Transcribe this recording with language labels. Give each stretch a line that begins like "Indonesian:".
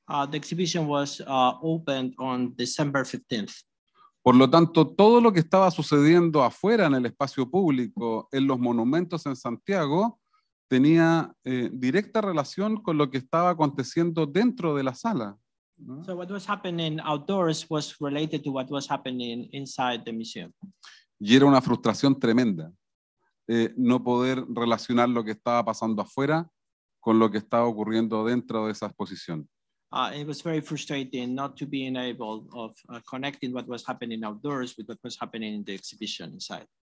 English: The exhibition was opened on December 15th.
Spanish: Por lo tanto, todo lo que estaba sucediendo afuera en el espacio público, en los monumentos en Santiago, tenía directa relación con lo que estaba aconteciendo dentro de la sala. ¿No?
English: So what was happening outdoors was related to what was happening inside the museum.
Spanish: Y era una frustración tremenda no poder relacionar lo que estaba pasando afuera con lo que estaba ocurriendo dentro de esa exposición.
English: It was very frustrating not to be able of connecting what was happening outdoors with what was happening in the exhibition inside.